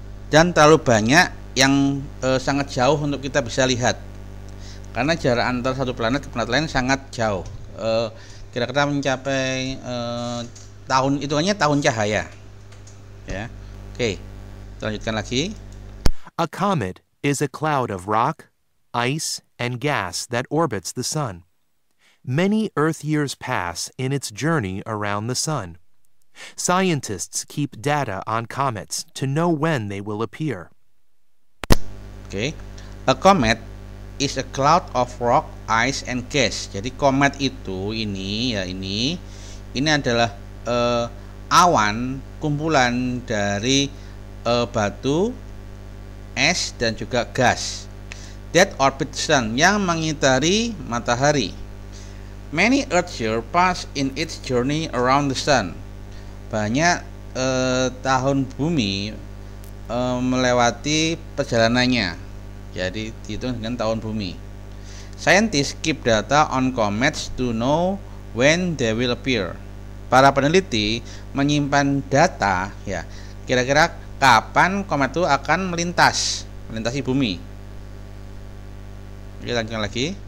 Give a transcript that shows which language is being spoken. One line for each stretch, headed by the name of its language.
Indonesian: Dan terlalu banyak yang sangat jauh untuk kita bisa lihat. Karena jarak antar satu planet ke planet lain sangat jauh. Kira-kira mencapai tahun, hitungannya tahun cahaya. Ya. Oke. Kita lanjutkan lagi.
English: A comet is a cloud of rock, ice, and gas that orbits the sun. Many Earth years pass in its journey around the sun. Scientists keep data on comets to know when they will appear.
Indonesian: Oke.
English: A comet is a cloud of rock, ice, and gas.
Indonesian: Jadi komet itu ini adalah awan kumpulan dari batu, es, dan juga gas.
English: That orbit sun,
Indonesian: yang mengitari matahari.
English: Many Earth years pass in its journey around the sun.
Indonesian: Banyak tahun bumi melewati perjalanannya. Jadi dihitung dengan tahun bumi.
English: Scientists keep data on comets to know when they will appear.
Indonesian: Para peneliti menyimpan data, ya, kira-kira kapan komet itu akan melintasi bumi. Kita lanjutkan lagi.